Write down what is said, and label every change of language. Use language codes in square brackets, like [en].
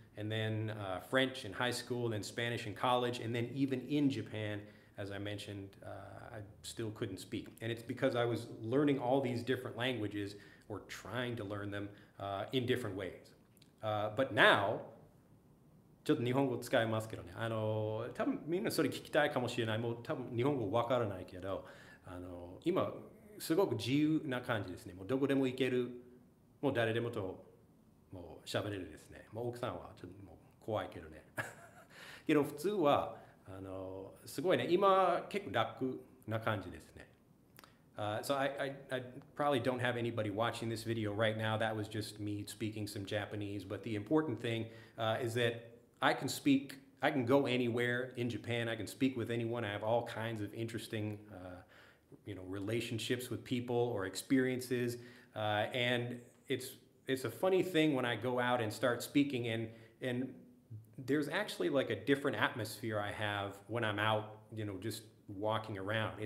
[en] and then French in high school, and then Spanish in college, and then even in Japan, as I mentioned, I still couldn't speak. And it's because I was learning all these different languages, or trying to learn them in different ways. But now, [ja] ちょっと日本語使いますけどね。あの、多分みんなそれ聞きたいかもしれない。もう多分日本語わからないけど、あの、今すごく自由な感じですね。もうどこでも行ける。もう誰でもともう喋れるですね。もう奥さんはちょっともう怖いけどね。けど普通は、あの、すごいね。今結構楽な感じですね。 [en] So I probably don't have anybody watching this video right now. That was just me speaking some Japanese. But the important thing is that I can speak, I can go anywhere in Japan, I can speak with anyone, I have all kinds of interesting, you know, relationships with people or experiences, and it's a funny thing when I go out and start speaking, and there's actually like a different atmosphere I have when I'm out, you know, just walking around.